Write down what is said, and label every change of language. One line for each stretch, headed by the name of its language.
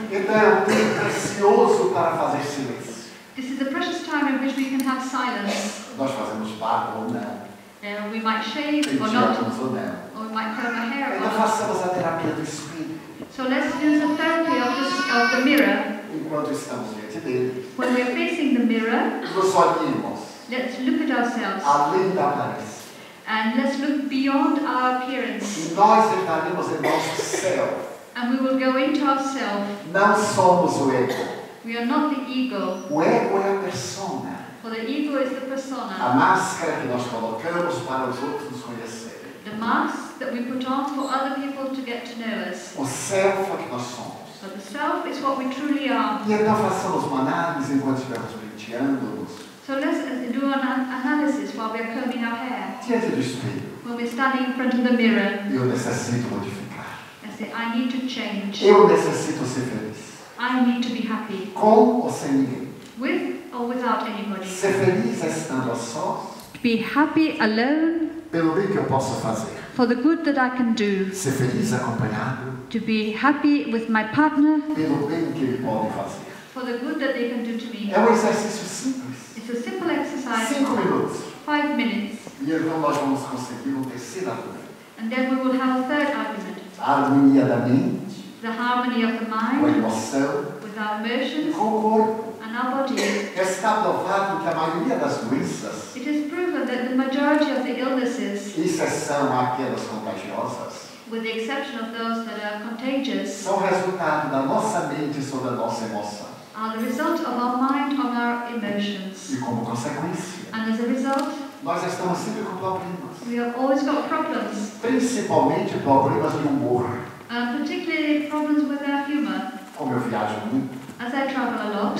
Portuguese: Então é um tempo precioso para fazer silêncio.
English: This is the precious time in which we can have silence.
Portuguese: Nós fazemos barba ou não.
English: We might shave
Portuguese: Pentear
English: or not.
Portuguese: Ou não.
English: Or we might curl our hair
Portuguese: então
English: or not.
Portuguese: Façamos a terapia do espelho.
English: So let's use the therapy of the mirror.
Portuguese: Enquanto estamos diante dele.
English: When we're facing the mirror.
Portuguese: Nos olhemos.
English: Let's look at ourselves.
Portuguese: Além da aparência.
English: And let's look beyond our appearance.
Portuguese: E nós entraremos em nosso self.
English: And we will go into ourselves.
Portuguese: Não somos o ego.
English: We are not the ego.
Portuguese: O ego é a persona.
English: For the ego is the persona.
Portuguese: A máscara que nós colocamos para os outros nos conhecerem.
English: The mask that we put on for other people to get to know us.
Portuguese: O self é que nós somos.
English: But the self is what we truly are.
Portuguese: E então façamos uma análise enquanto estivermos penteando-nos.
English: So let's do an analysis while we are combing our hair.
Portuguese: Diante do espelho.
English: When we're standing in front of the mirror.
Portuguese: Eu necessito modificar.
English: I say, I need to change.
Portuguese: Eu necessito ser feliz.
English: I need to be happy.
Portuguese: Com ou sem ninguém.
English: With or without anybody.
Portuguese: Ser feliz estando só.
English: Be happy alone.
Portuguese: Pelo bem que eu posso fazer.
English: For the good that I can do.
Portuguese: Ser feliz acompanhado.
English: To be happy with my partner.
Portuguese: Pelo bem que ele pode fazer.
English: For the good that they can do to me.
Portuguese: É um exercício simples.
English: It's a simple exercise. 5 minutes. 5 minutes.
Portuguese: E então nós vamos conseguir um terceiro argumento.
English: And then we will have a third argument.
Portuguese: A harmonia da mente.
English: The harmony of the mind,
Portuguese: com a emoção,
English: with our emotions,
Portuguese: com o corpo,
English: and our body.
Portuguese: Está provado que a maioria das doenças,
English: it is proven that the majority of the illnesses,
Portuguese: exceção aquelas contagiosas,
English: with the exception of those that are contagious,
Portuguese: são resultado da nossa mente sobre a nossa emoção.
English: Are the result of our mind on our emotions.
Portuguese: E como consequência.
English: And as a result.
Portuguese: Nós estamos sempre com problemas.
English: We have always got problems.
Portuguese: Principalmente problemas de humor.
English: And particularly problems with our humor.
Portuguese: Como eu viajo muito.
English: As I travel a lot.